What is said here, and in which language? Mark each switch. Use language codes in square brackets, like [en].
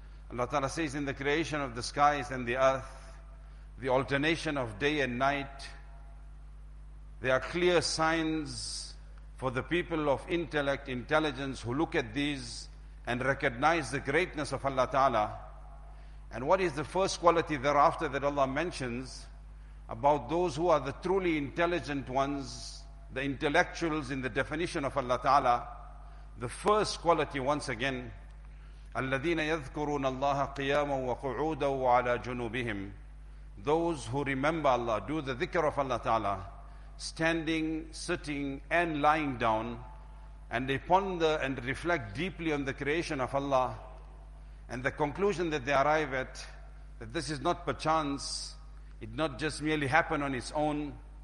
[en] Allah Ta'ala says, in the creation of the skies and the earth, the alternation of day and night, there are clear signs for the people of intellect, intelligence, who look at these and recognize the greatness of Allah Ta'ala. And what is the first quality thereafter that Allah mentions about those who are the truly intelligent ones, the intellectuals in the definition of Allah Ta'ala? The first quality, once again, [ar] الَّذِينَ يَذْكُرُونَ اللَّهَ قِيَامًا وَقُعُودًا وَعَلَىٰ جُنُوبِهِمْ. [en] Those who remember Allah, do the dhikr of Allah Ta'ala, standing, sitting, and lying down, and they ponder and reflect deeply on the creation of Allah, and the conclusion that they arrive at, that this is not perchance, it not just merely happen on its own.